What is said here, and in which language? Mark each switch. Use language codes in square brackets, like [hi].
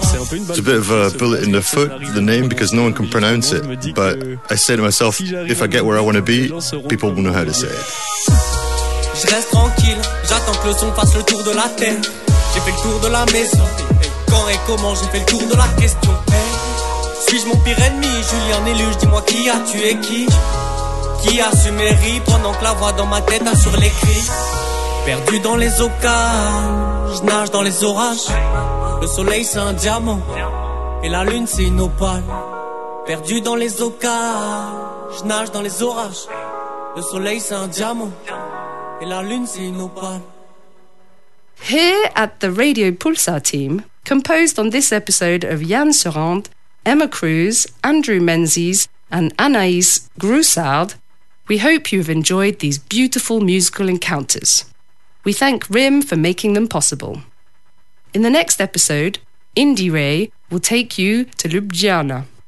[en] It's a bit of a bullet in the foot, the name, because no one can pronounce it. But I say to myself, if I get where I want to be, people will know how to say it. [fr] Je reste tranquille, j'attends que le son fasse le tour de la terre. J'ai fait le tour de la maison, quand et comment j'ai fait le tour de la question. Suis-je mon pire ennemi, Julien Neluge, dis-moi qui a tué qui. Qui a su mes rires pendant que la voix dans ma tête a sur les cris. Perdu dans les océans, je nage dans les orages. Le soleil c'est un diamant et la lune c'est une opale. Perdu dans les océans, je nage dans les orages. Le soleil c'est un diamant et la lune c'est une opale. [en] Here at the Radio Pulsar team, composed on this episode of Yann Serand, Emma Cruz, Andrew Menzies and Anaïs Groussard, we hope you've enjoyed these beautiful musical encounters. We thank RIM for making them possible. In the next episode, Indie Ray will take you to Ljubljana.